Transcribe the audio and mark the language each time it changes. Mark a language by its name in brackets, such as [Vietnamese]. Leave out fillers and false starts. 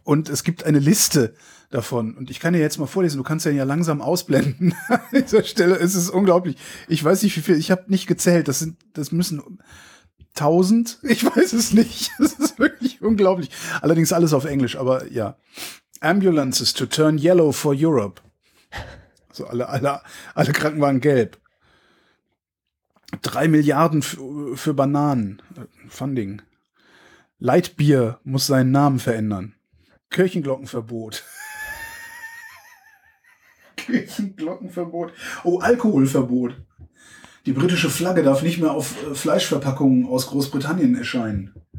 [German] Und es gibt eine Liste davon. Und ich kann dir jetzt mal vorlesen, du kannst ja langsam ausblenden. An dieser Stelle ist es unglaublich. Ich weiß nicht, wie viel, ich habe nicht gezählt. Das müssen 1000? Ich weiß es nicht. Das ist wirklich unglaublich. Allerdings alles auf Englisch, aber ja. [English] Ambulances to turn yellow for Europe. [German] Also alle Kranken waren gelb. 3 Milliarden für Bananen. Funding. Leitbier muss seinen Namen verändern. Kirchenglockenverbot. Kirchenglockenverbot. Oh, Alkoholverbot. Die britische Flagge darf nicht mehr auf Fleischverpackungen aus Großbritannien erscheinen.